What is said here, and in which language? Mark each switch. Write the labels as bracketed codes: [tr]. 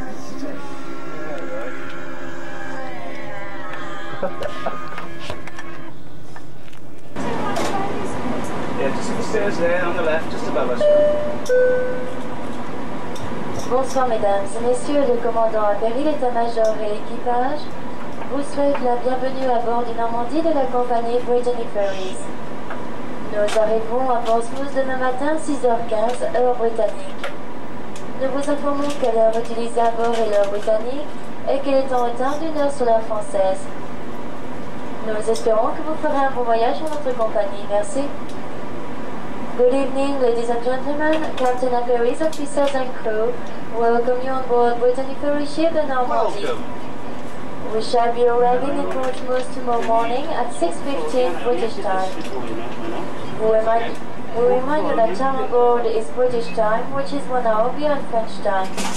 [en] Yeah, just the stairs there on the left, just above us. [fr] Bonsoir mesdames, messieurs le commandant Ferries, l'état-major et équipage, vous souhaite la bienvenue à bord du Normandie de la compagnie Brittany Ferries. Nous arrivons à Portsmouth demain matin 6h15, heure britannique. Nous vous informons que l'heure utilisée à bord est l'heure britannique et qu'elle est en retard d'une heure sur l'heure française. Nous espérons que vous ferez un bon voyage en notre compagnie. [en] Merci. Good evening, ladies and gentlemen. Captain and Ferries officers and crew welcome you on board Brittany Ferry ship the Normandie. Welcome. We shall be arriving in Portsmouth tomorrow morning at 6:15 British time. We remind you that time on board is British time, which is 1 hour beyond French time.